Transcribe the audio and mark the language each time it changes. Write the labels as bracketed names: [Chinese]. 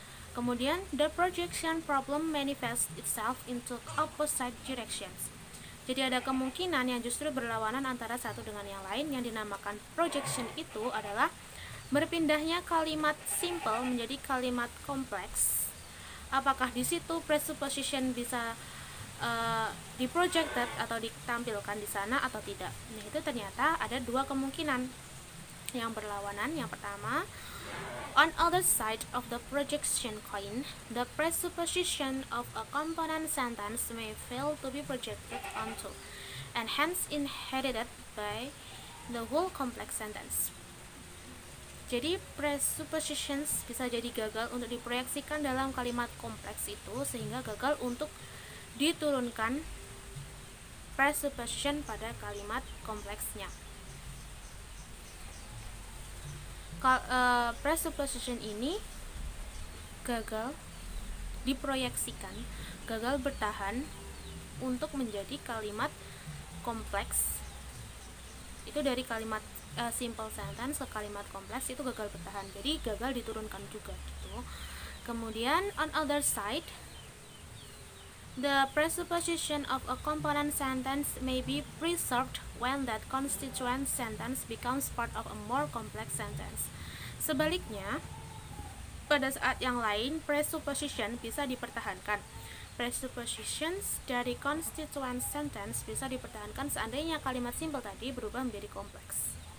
[Indonesian] Kemudian [English] the projection problem manifests itself into opposite directions. [Indonesian] Jadi ada kemungkinan yang justru berlawanan antara satu dengan yang lain yang dinamakan projection itu adalah berpindahnya kalimat simple menjadi kalimat kompleks. Apakah di situ presupposition bisa diprojected atau ditampilkan di sana atau tidak. Nah, itu ternyata ada dua kemungkinan yang berlawanan. Yang pertama, [English] on other side of the projection coin, the presupposition of a component sentence may fail to be projected onto and hence inherited by the whole complex sentence. [Indonesian] Jadi presuppositions bisa jadi gagal untuk diproyeksikan dalam kalimat kompleks itu sehingga gagal untuk diturunkan presupposition pada kalimat kompleksnya. Presupposition ini gagal diproyeksikan, gagal bertahan untuk menjadi kalimat kompleks. Itu dari kalimat simple sentence ke kalimat kompleks itu gagal bertahan. Jadi gagal diturunkan juga gitu. Kemudian [English] on other side, the presupposition of a component sentence may be preserved when that constituent sentence becomes part of a more complex sentence. [Indonesian] Sebaliknya, pada saat yang lain, presupposition bisa dipertahankan. Presuppositions dari constituent sentence bisa dipertahankan seandainya kalimat simple tadi berubah menjadi kompleks.